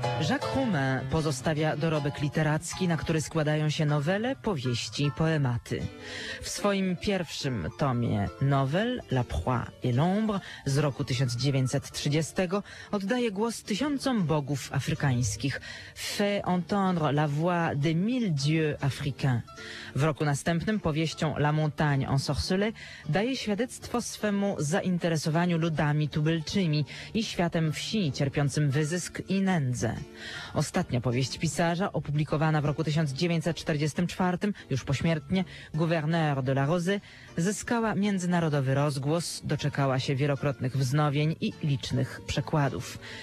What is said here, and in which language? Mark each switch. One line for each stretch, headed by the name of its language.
Polish: Jacques Roumain pozostawia dorobek literacki, na który składają się nowele, powieści i poematy. W swoim pierwszym tomie nowel La Proie et l'Ombre z roku 1930 oddaje głos tysiącom bogów afrykańskich.
French: Fait entendre la voix des mille dieux africains.
Polish: W roku następnym powieścią La Montagne ensorcelée daje świadectwo swemu zainteresowaniu ludami tubylczymi i światem wsi cierpiącym wyzysk i nędzę. Ostatnia powieść pisarza, opublikowana w roku 1944, już pośmiertnie, Gouverneur de la Rose, zyskała międzynarodowy rozgłos, doczekała się wielokrotnych wznowień i licznych przekładów.